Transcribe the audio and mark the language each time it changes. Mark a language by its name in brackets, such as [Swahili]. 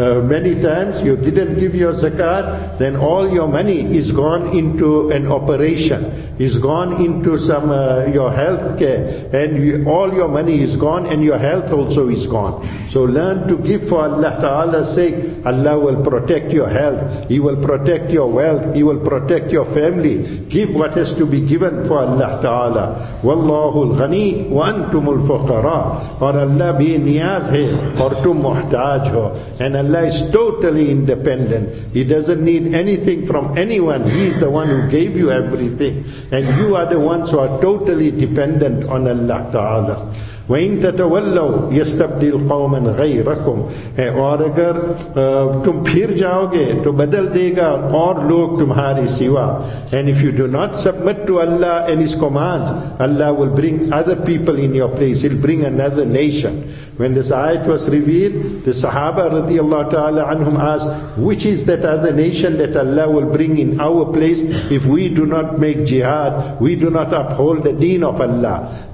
[English] Many times you didn't give your zakat, then all your money is gone into an operation, is gone into some your health care, and all your money is gone and your health also is gone. So learn to give for Allah Ta'ala's sake. Allah will protect your health, He will protect your wealth, He will protect your family. Give what has to be given for Allah Ta'ala. [Arabic] وَاللَّهُ الْغَنِي وَأَنْتُمُ الْفُقَرَاءُ. [Urdu] اور اللہ بھی نیاز ہے اور تم محتاج ہو. [English] And Allah is totally independent. He doesn't need anything from anyone. He is the one who gave you everything. And you are the ones who are totally dependent on Allah Ta'ala. [Arabic] وَإِنْ تَتَوَلَّوْ يَسْتَبْدِلْ قَوْمًا غَيْرَكُمْ. [Urdu] اور اگر تم پھر جاؤ گے تو بدل دے گا اور لوگ تمہاری سوا. [English] And if you do not submit to Allah and His commands, Allah will bring other people in your place. He'll bring another nation. When this ayat was revealed, the Sahaba radiallahu ta'ala anhum asked, which is that other nation that Allah will bring in our place if we do not make jihad, we do not uphold the deen of Allah?